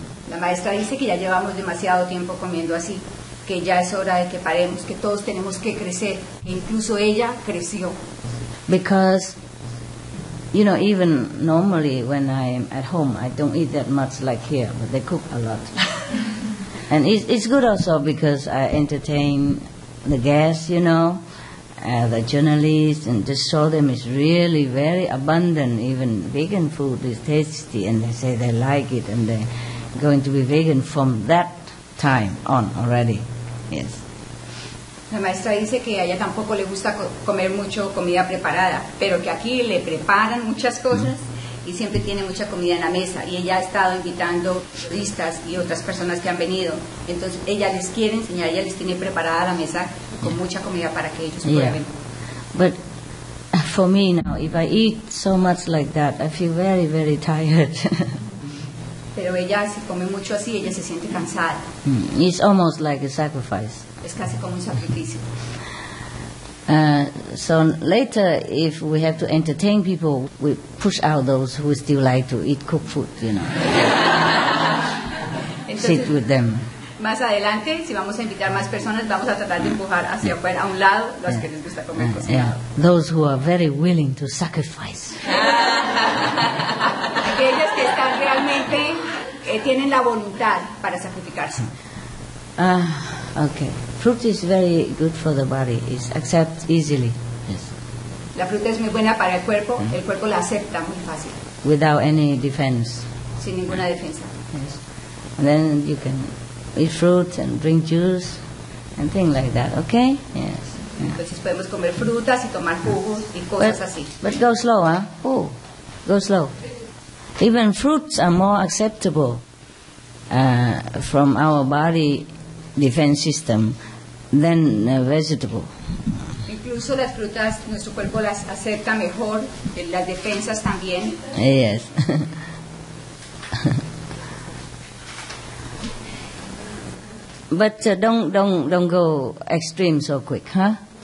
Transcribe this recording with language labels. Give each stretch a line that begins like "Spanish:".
Spanish: La maestra dice que ya llevamos demasiado tiempo comiendo así, que ya es hora de que paremos, que todos tenemos que crecer, incluso ella creció.
English: Because you know, even normally when I'm at home, I don't eat that much like here, but they cook a lot. And it's good also because I entertain the guests, you know, the journalists, and just show them it's really very abundant. Even vegan food is tasty, and they say they like it, and they're going to be vegan from that time on already. Yes.
Spanish: La maestra dice que a ella tampoco le gusta comer mucho comida preparada, pero que aquí le preparan muchas cosas y siempre tiene mucha comida en la mesa. Y ella ha estado invitando turistas y otras personas que han venido. Entonces ella les quiere enseñar, ella les tiene preparada la mesa con mucha comida para que ellos prueben.
English: Yeah. But for me now, if I eat so much like that, I feel very, very tired.
Spanish: Pero ella si come mucho así, ella se siente cansada.
English: It's almost like a sacrifice.
Spanish: Es casi como un sacrificio.
English: So later, if we have to entertain people, we push out those who still like to eat cooked food, you know.
Spanish: Entonces,
English: sit with them.
Spanish: Más adelante, si vamos a invitar más personas, vamos a tratar de empujar hacia afuera, a un lado, los que les gusta comer cocinado.
English: Yeah. Those who are very willing to sacrifice.
Spanish: Aquellos que están realmente, tienen la voluntad para sacrificarse.
English: Okay. Fruit is very good for the body. It's accepted easily. Yes.
Spanish: La fruta es muy buena para el cuerpo. El cuerpo la acepta muy fácil.
English: Without any defense.
Spanish: Sin ninguna defensa.
English: Yes. And then you can eat fruit and drink juice and things like that, okay? Yes.
Spanish: Entonces podemos comer frutas y tomar jugos y cosas así.
English: But go slow, huh? Oh, go slow. Even fruits are more acceptable from our body defense system than vegetable.
Spanish: Incluso las frutas, nuestro cuerpo las acepta mejor, las defensas también.
English: Yes. But don't go extreme so quick, huh?